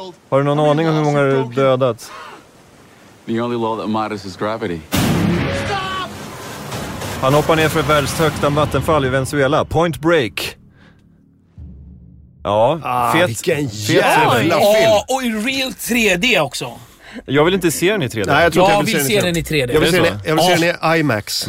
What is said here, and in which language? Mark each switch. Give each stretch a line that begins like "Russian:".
Swedish: Har du någon aning om hur många du dödat?
English: The only law that matters is gravity.
Swedish: Han hoppar ner för ett världs högsta vattenfall i Venezuela. Point Break. Ja, fet. Vilken jävla film. Och i real 3D också. Jag vill inte se den i 3D. Nej, jag vill se den i 3D. Jag vill se den i IMAX.